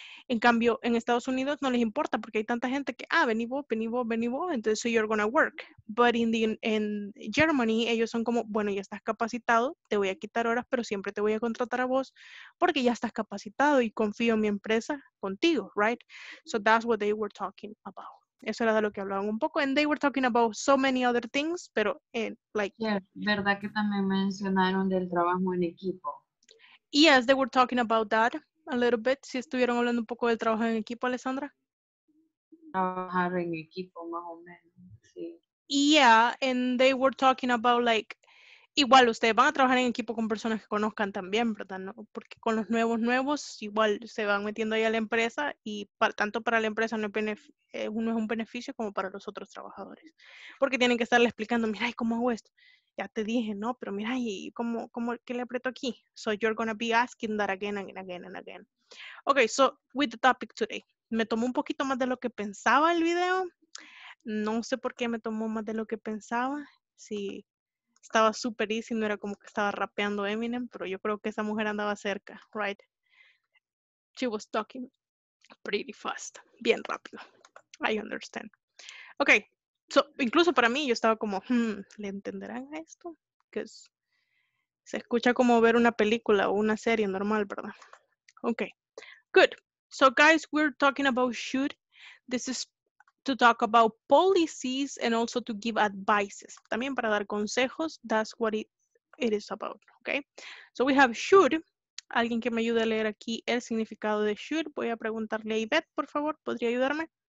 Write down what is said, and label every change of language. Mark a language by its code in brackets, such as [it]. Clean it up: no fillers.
[es] En cambio, en Estados Unidos no les importa porque hay tanta gente que, vení vos, entonces [en] so you're gonna work. But in Germany, [es] ellos son como, bueno, ya estás capacitado, te voy a quitar horas, pero siempre te voy a contratar a vos porque ya estás capacitado y confío en mi empresa contigo, right? [en] So that's what they were talking about. [es] Eso era de lo que hablaban un poco. [en] And they were talking about so many other things, pero, [es] ¿verdad que también mencionaron del trabajo en equipo? [en] Yes, they were talking about that. A little bit, [es] si estuvieron hablando un poco del trabajo en equipo, Alessandra. Trabajar en equipo, más o menos, sí. [en] Yeah, and they were talking about like, [es] igual ustedes van a trabajar en equipo con personas que conozcan también, ¿verdad? ¿No? Porque con los nuevos, igual se van metiendo ahí a la empresa y tanto para la empresa no es un beneficio como para los otros trabajadores. Porque tienen que estarle explicando, mira, ¿y cómo hago esto? Ya te dije, ¿no? Pero mira, ¿y cómo qué le aprieto aquí? [en] So you're gonna be asking that again and again and again. Okay, so with the topic today. [es] Me tomó un poquito más de lo que pensaba el video. No sé por qué me tomó más de lo que pensaba. Sí. Estaba super easy, no era como que estaba rapeando Eminem, pero yo creo que esa mujer andaba cerca, right? [en] She was talking pretty fast, [es] bien rápido. [en] I understand. [es] Okay, so incluso para mí yo estaba como, ¿le entenderán a esto? Que se escucha como ver una película o una serie normal, ¿verdad? [en] Okay, good. So guys, we're talking about should. This is to talk about policies and also to give advices. [es] También para dar consejos, [en] that's what it it is about, okay? So we have should. [es] Alguien que me ayude a leer aquí el significado de should. Voy a preguntarle a Ivette, por favor. ¿Podría ayudarme?